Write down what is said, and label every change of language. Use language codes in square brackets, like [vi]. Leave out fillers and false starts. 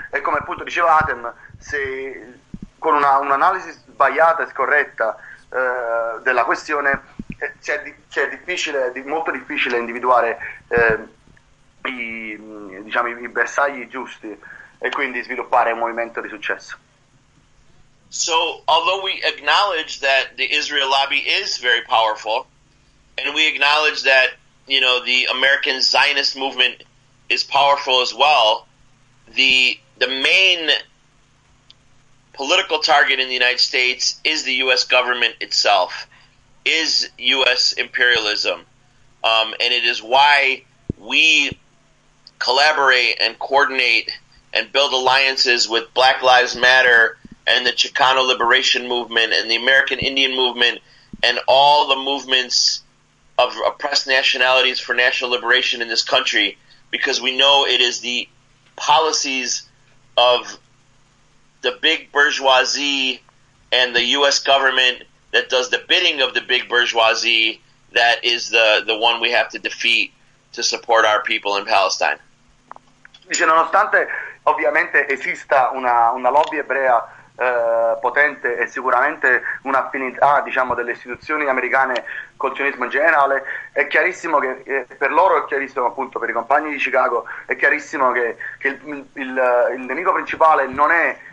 [it] E come appunto diceva Adam, se con un'analisi sbagliata e scorretta della questione è molto difficile individuare i bersagli giusti e quindi sviluppare un movimento di successo. [en] So, although we acknowledge that the Israel lobby is very powerful, and we acknowledge that, you know, the American Zionist movement is powerful as well, the main political target in the United States is the U.S. government itself, is U.S. imperialism. And it is why we collaborate and coordinate and build alliances with Black Lives Matter and the Chicano Liberation Movement and the American Indian Movement and all the movements of oppressed nationalities for national liberation in this country, because we know it is the policies of the big bourgeoisie and the U.S. government that does the bidding of the big bourgeoisie that is the one we have to defeat to support our people in Palestine. [it] Dice, nonostante ovviamente esista una lobby ebrea potente e sicuramente un'affinità, diciamo, delle istituzioni americane col sionismo in generale, è chiarissimo che per loro è chiarissimo, appunto per i compagni di Chicago, è chiarissimo che il nemico principale non è